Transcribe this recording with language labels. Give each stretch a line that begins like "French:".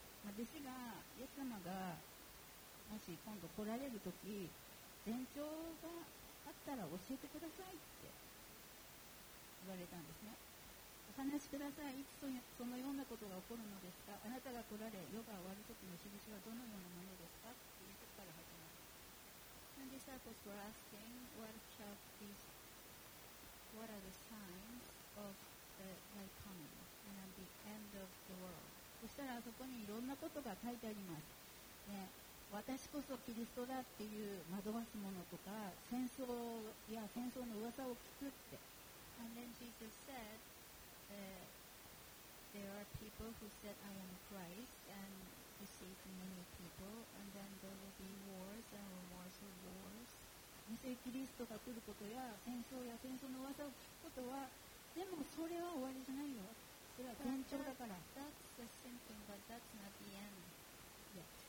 Japanese: 弟子がイエス様がもし今度来られるとき前兆があったら教えてくださいって言われたんですね。お話しください。いつそのようなことが起こるのですか。あなたが来られ夜が終わるときの印はどのようなものですかって言ってから始まる。
English: The disciples were asking what are the signs of the light coming and the end of the world。
Japanese: そしたらそこにいろんなことが書いてあります、ね、私こそキリストだっていう惑わすものとか戦争や戦争の噂を聞くって。
English: And then Jesus said there are people who said I am Christ and deceive many people and then there will be wars and rumors of wars。
Japanese: 偽キリストが来ることや戦争や戦争の噂を聞くことは、でもそれは終わりじゃないよ、それは前兆だから。
English: That's the symptom, but that's not the end yet.